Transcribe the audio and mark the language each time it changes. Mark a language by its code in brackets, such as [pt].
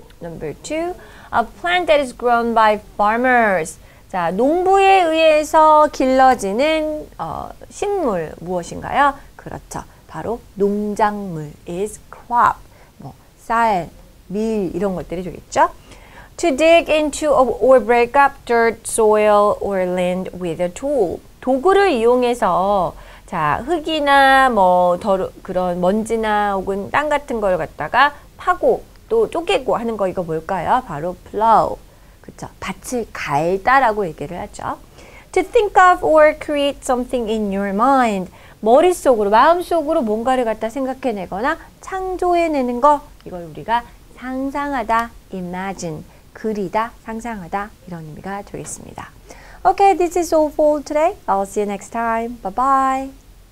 [en] Number two, a plant that is grown by farmers. [ko] 자, 농부에 의해서 길러지는 식물 무엇인가요? 그렇죠. 바로 농작물 [en] is crop. [ko] 뭐 쌀, 밀 이런 것들이 되겠죠? [en] To dig into or break up dirt, soil or land with a tool. [ko] 도구를 이용해서 자, 흙이나 뭐 그런 먼지나 혹은 땅 같은 걸 갖다가 파고 또 쪼개고 하는 거 이거 뭘까요? 바로 plow. 그쵸. 밭을 갈다라고 얘기를 하죠. [en] To think of or create something in your mind. [ko] 머릿속으로, 마음속으로 뭔가를 갖다 생각해내거나 창조해내는 거. 이걸 우리가 상상하다, imagine. 그리다, 상상하다. 이런 의미가 되겠습니다. [en] Okay, this is all for today. I'll see you next time. Bye bye.